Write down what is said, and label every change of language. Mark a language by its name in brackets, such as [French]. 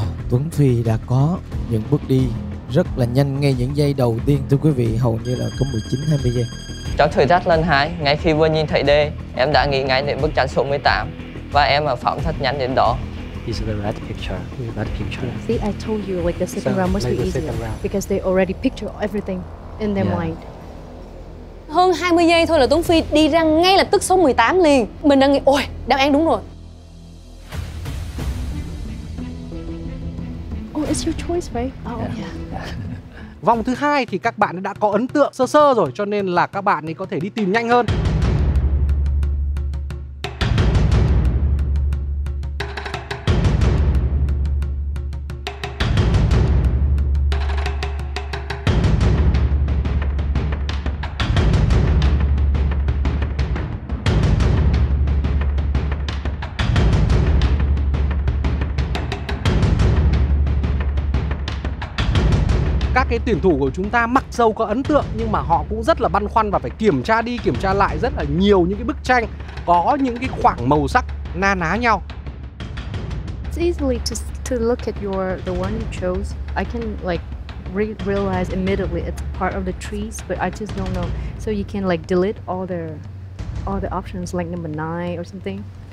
[Vietnamese] Tuấn Phi đã có những bước đi rất là nhanh ngay những giây đầu tiên, thưa quý vị, hầu như là có 19-20 giây. Trong thử thách lần 2, ngay khi vừa nhìn thấy D, em đã nghĩ ngay đến bức tranh số 18 và em đã phóng thật nhanh đến đó. [English] This is the red picture. Red picture. See, I told you like the second round must be easier because they already picture everything in their mind. [Vietnamese] Hơn 20 giây thôi là Tuấn Phi đi ra ngay là tức số 18 liền. Mình đang nghĩ, ôi, đáp án đúng rồi. [English] It's your choice, right? Oh, yeah. [Vietnamese] Vòng thứ hai thì các bạn đã có ấn tượng sơ sơ rồi, cho nên là các bạn ấy có thể đi tìm nhanh hơn. Cái tuyển thủ của chúng ta mặc dù có ấn tượng nhưng mà họ cũng rất là băn khoăn và phải kiểm tra đi kiểm tra lại rất là nhiều những cái bức tranh có những cái khoảng màu sắc na ná nhau. [English] It's easy to look at your the one you chose. I can like realize immediately it's part of the trees, but I just don't know. So you can like delete all the options like number 9 or something.